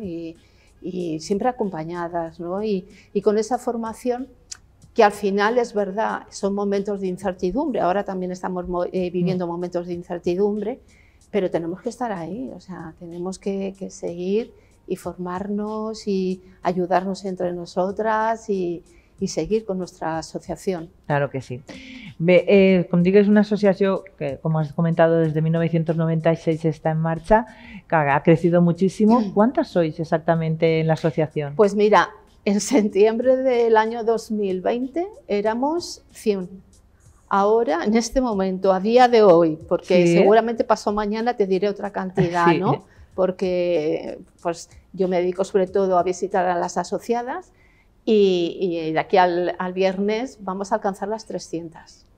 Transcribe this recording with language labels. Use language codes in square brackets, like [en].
[es] Y siempre acompañadas, ¿no? Y con esa formación, que al final es verdad, son momentos de incertidumbre, ahora también estamos viviendo momentos de incertidumbre, pero tenemos que estar ahí, o sea, tenemos que seguir y formarnos y ayudarnos entre nosotras y seguir con nuestra asociación. Claro que sí. [ca] Bé, com dic, és una associació que, com has comentat, des de 1996 està en marxa, que ha crecit moltíssim. [es] ¿Cuántas sois [ca] exactament en l'associació? [es] Pues mira, en septiembre del año 2020 éramos 100. Ahora, en este momento, a día de hoy, porque seguramente pasó mañana, te diré otra cantidad, ¿no? porque pues, yo me dedico sobre todo a visitar a las asociadas y de aquí al viernes vamos a alcanzar las 300.